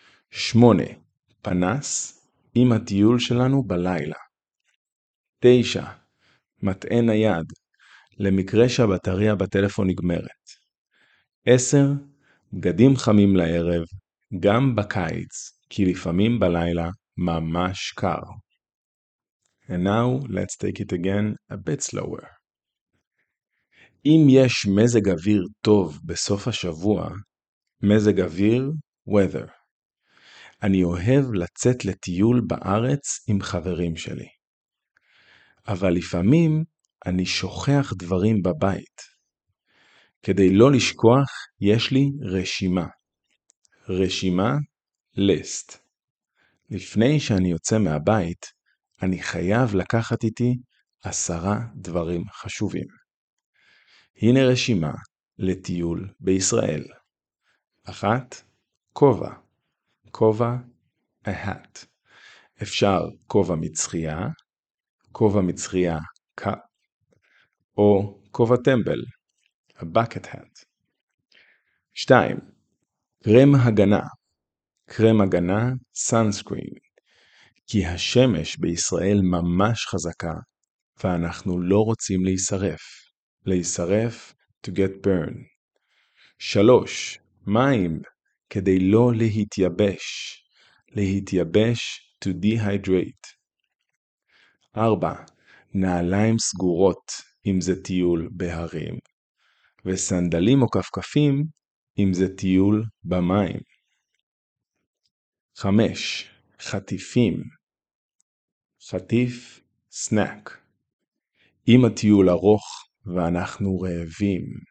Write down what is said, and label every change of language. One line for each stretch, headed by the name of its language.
Hebrew: 8. פנס עם הטיול שלנו בלילה. 9. מטען היד. למקרה שהבטריה בטלפון נגמרת. 10. בגדים חמים לערב, גם בקיץ, כי לפעמים בלילה ממש קר.
English: And now, let's take it again a bit slower.
Hebrew: אם יש מזג אוויר טוב בסוף השבוע, מזג אוויר,
English: weather.
Hebrew: אני אוהב לצאת לטיול בארץ עם חברים שלי. אבל לפעמים אני שוכח דברים בבית. כדי לא לשכוח, יש לי רשימה. רשימה,
English: list.
Hebrew: לפני שאני יוצא מהבית, אני חייב לקחת איתי 10 דברים חשובים. הנה רשימה לטיול בישראל. 1. כובע. כובע,
English: a hat.
Hebrew: אפשר כובע מצחייה, כובע מצחייה,
English: cup,
Hebrew: או כובע טמבל.
English: A bucket hat.
Hebrew: 2. קרם הגנה. קרם הגנה,
English: sunscreen.
Hebrew: כי השמש בישראל ממש חזקה, ואנחנו לא רוצים להישרף. להישרף,
English: to get burned.
Hebrew: 3. מים, כדי לא להתייבש. להתייבש,
English: to dehydrate.
Hebrew: 4. נעליים סגורות, אם זה טיול בהרים. וסנדלים או קפקפים, אם זה טיול במים. 5. חטיפים. חטיף, סנאק. אם הטיול ארוך ואנחנו רעבים.